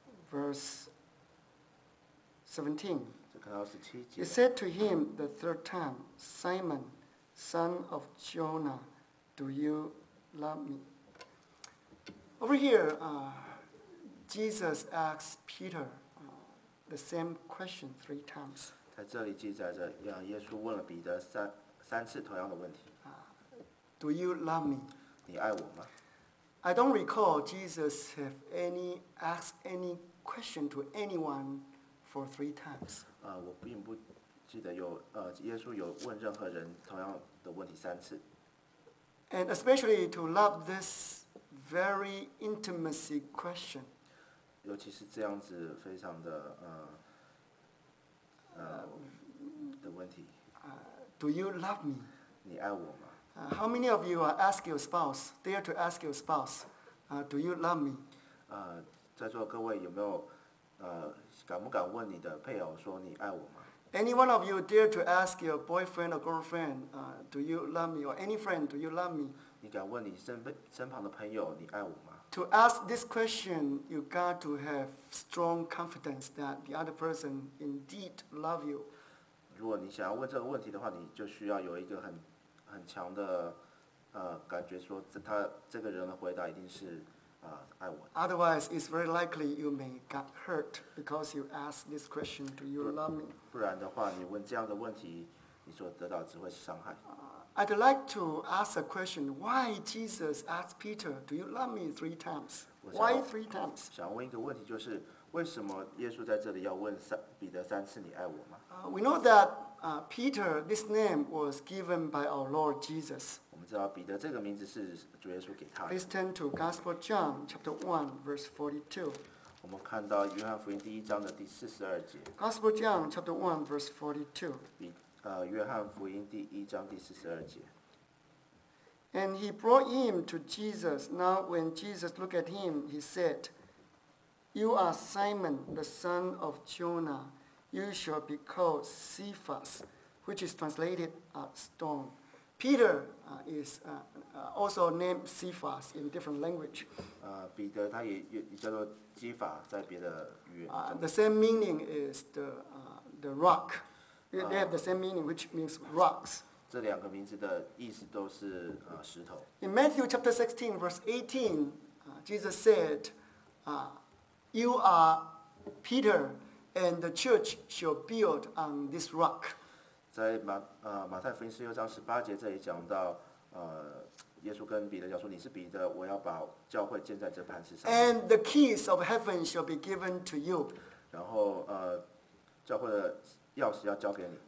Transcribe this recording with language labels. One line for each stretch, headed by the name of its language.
English: Verse 17. He said to him the third time, Simon, son of Jonah, do you love me? Over here, Jesus asks Peter the same question three times.
Chinese: 在这里记载着，耶稣问了彼得 三次同样的问题。
English: Do you love me?
Chinese: 你爱我吗
English: ？I don't recall Jesus have any asked any question to anyone for three times.
Chinese: 我并不记得有耶稣有问任何人同样的问题三次。
English: And especially to love this very intimacy question.
Chinese: 尤其是这样子非常的的问题。
English: Do you love me?
Chinese: 你爱我吗？
English: How many of you ask your spouse, dare to ask your spouse, do you love me?
Chinese: 在座各位有没有敢不敢问你的配偶说你爱我吗？
English: Any one of you dare to ask your boyfriend or girlfriend, do you love me? Or any friend, do you love me?
Chinese: 你敢问你身旁的朋友你爱我吗？
English: To ask this question, you got to have strong confidence that the other person indeed love you.
Chinese: 如果你想要问这个问题的话，你就需要有一个很强的感觉说这个人的回答一定是爱我。
English: Otherwise, it's very likely you may get hurt because you ask this question, do you love me?
Chinese: 不然的话，你问这样的问题，你所得到只会是伤害。
English: I'd like to ask a question. Why Jesus asked Peter, do you love me three times? Why three times?
Chinese: 想问一个问题，就是为什么耶稣在这里要问彼得三次你爱我吗？
English: We know that Peter, this name was given by our Lord Jesus.
Chinese: 我们知道彼得这个名字是主耶稣给他的。
English: Please turn to Gospel John, chapter 1, verse 42.
Chinese: 我们看到约翰福音第一章的第四十二节。
English: Gospel John, chapter 1, verse 42.
Chinese: 约翰福音第一章第四十二节。
English: And he brought him to Jesus. Now when Jesus looked at him, he said, You are Simon, the son of Jonah. You shall be called Cephas, which is translated stone. Peter is also named Cephas in different language.
Chinese: 彼得他也叫做基法，在别的语言。
English: The same meaning is the rock. They have the same meaning, which means rocks.
Chinese: 这两个名字的意思都是石头。
English: In Matthew chapter 16, verse 18, Jesus said, "You are Peter, and the church shall build on this rock."
Chinese: 在马太福音十六章十八节这里讲到，耶稣跟彼得讲说，你是彼得，我要把教会建在这磐石上。
English: And the keys of heaven shall be given to you.
Chinese: 然后教会的钥匙要交给你。